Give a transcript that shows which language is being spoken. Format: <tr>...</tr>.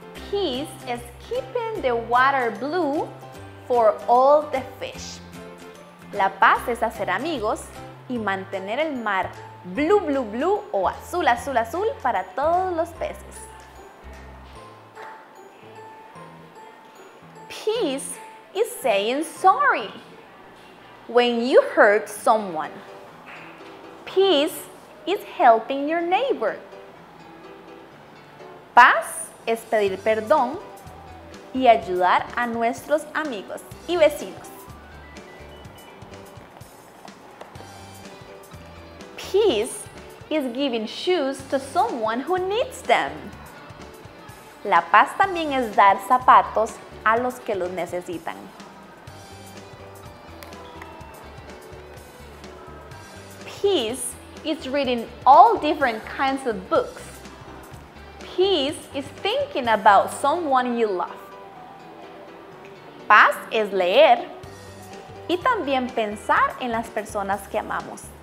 <en>Peace is keeping the water blue for all the fish.</en> <es>La paz es hacer amigos y mantener el mar</es> <en>blue, blue, blue</en> <es>o azul, azul, azul para todos los peces.</es> <en>Peace is saying sorry when you hurt someone. Peace is helping your neighbor.</en> <es>Paz es pedir perdón y ayudar a nuestros amigos y vecinos.</es> <en>Peace is giving shoes to someone who needs them.</en> <es>La paz también es dar zapatos a los que los necesitan.</es> <en>Peace is reading all different kinds of books. Peace is thinking about someone you love.</en> <es>Paz es leer y también pensar en las personas que amamos.</es>